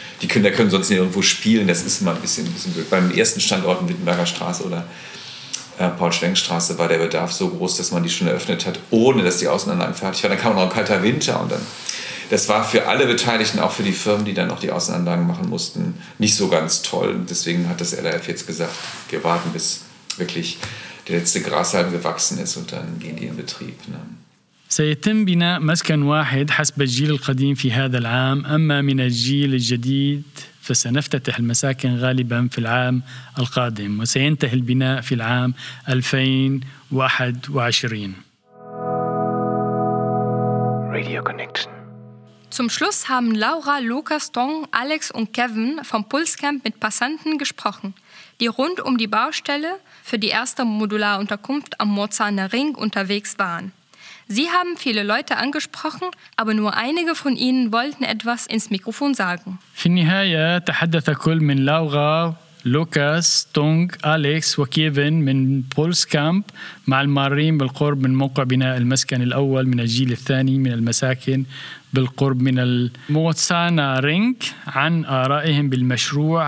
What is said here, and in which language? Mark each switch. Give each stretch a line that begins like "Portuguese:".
German: Die Kinder können sonst nicht irgendwo spielen, das ist immer ein bisschen blöd. Beim ersten Standort in Wittenberger Straße oder Paul-Schwenk-Straße war der Bedarf so groß, dass man die schon eröffnet hat, ohne dass die Außenanlagen fertig waren. Dann kam noch ein kalter Winter und dann, das war für alle Beteiligten, auch für die Firmen, die dann noch die Außenanlagen machen mussten, nicht so ganz toll. Deswegen hat das LRF jetzt gesagt, wir warten bis wirklich der letzte Grashalm gewachsen ist und dann gehen die in Betrieb. Ne?
Arabic: سيتم بناء مسكن واحد حسب الجيل القديم في هذا العام أما من الجيل الجديد فسنفتتح المساكن غالبا في العام القادم وسينتهي البناء في العام 2021.
English: Radio Connection.
German: Zum Schluss haben Laura, Lukas, Tong, Alex und Kevin vom Pulscamp mit Passanten gesprochen, die rund um die Baustelle für die erste Modularunterkunft am Mozaner Ring unterwegs waren. Sie haben viele Leute angesprochen, aber nur einige von ihnen wollten etwas ins Mikrofon sagen.
Arabic: في النهاية تحدث كل من لاورا، لوكاس، تونغ، أليكس وكيفن من بولسكامب مع المارين بالقرب من موقع بناء المسكن الأول من الجيل الثاني من المساكن بالقرب من الموتسانا رينك عن آرائهم بالمشروع.